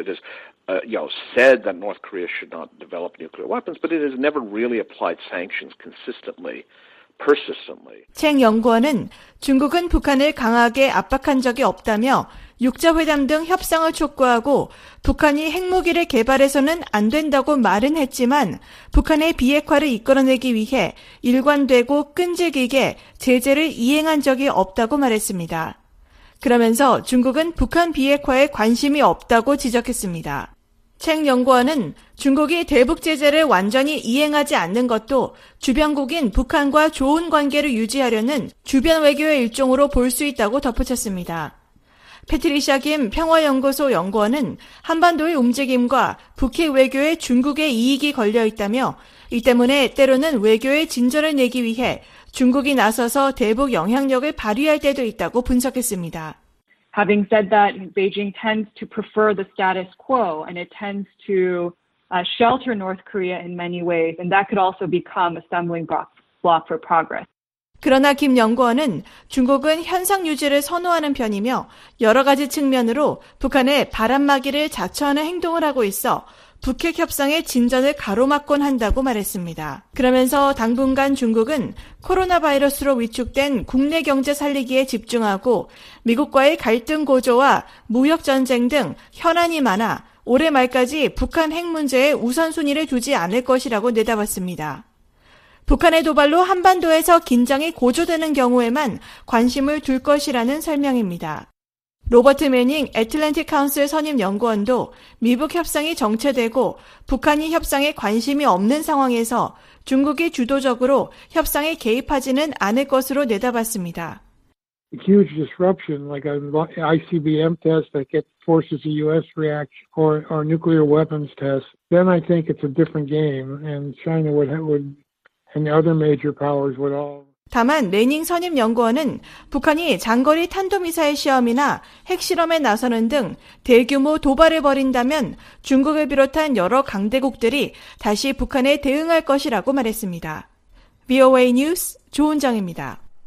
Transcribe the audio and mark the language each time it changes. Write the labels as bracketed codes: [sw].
[en] It has said that North Korea should not develop nuclear weapons, but it has never really applied sanctions consistently. [ko] 챙 연구원은 중국은 북한을 강하게 압박한 적이 없다며 육자회담 등 협상을 촉구하고 북한이 핵무기를 개발해서는 안 된다고 말은 했지만 북한의 비핵화를 이끌어내기 위해 일관되고 끈질기게 제재를 이행한 적이 없다고 말했습니다. 그러면서 중국은 북한 비핵화에 관심이 없다고 지적했습니다. 챙 연구원은 중국이 대북 제재를 완전히 이행하지 않는 것도 주변국인 북한과 좋은 관계를 유지하려는 주변 외교의 일종으로 볼 수 있다고 덧붙였습니다. 패트리샤 김 평화연구소 연구원은 한반도의 움직임과 북핵 외교에 중국의 이익이 걸려 있다며 이 때문에 때로는 외교의 진전을 내기 위해 중국이 나서서 대북 영향력을 발휘할 때도 있다고 분석했습니다. [en] Having said that, Beijing tends to prefer the status quo and it tends to shelter North Korea in many ways and that could also become a stumbling block for progress. [ko] 그러나 김 연구원은 중국은 현상 유지를 선호하는 편이며 여러 가지 측면으로 북한의 바람막이를 자처하는 행동을 하고 있어 북핵 협상의 진전을 가로막곤 한다고 말했습니다. 그러면서 당분간 중국은 코로나 바이러스로 위축된 국내 경제 살리기에 집중하고 미국과의 갈등 고조와 무역 전쟁 등 현안이 많아 올해 말까지 북한 핵 문제에 우선순위를 두지 않을 것이라고 내다봤습니다. 북한의 도발로 한반도에서 긴장이 고조되는 경우에만 관심을 둘 것이라는 설명입니다. 로버트 매닝 애틀랜틱 카운슬 선임 연구원도 미북 협상이 정체되고 북한이 협상에 관심이 없는 상황에서 중국이 주도적으로 협상에 개입하지는 않을 것으로 내다봤습니다. [en] Huge disruption like an ICBM test that forces a US reaction or nuclear weapons test. Then I think it's a different game and China would and other major powers would all [ko] 다만 레닝 선임 연구원은 북한이 장거리 탄도미사일 시험이나 핵실험에 나서는 등 대규모 도발을 벌인다면 중국을 비롯한 여러 강대국들이 다시 북한에 대응할 것이라고 말했습니다. VOA 뉴스 조은정입니다.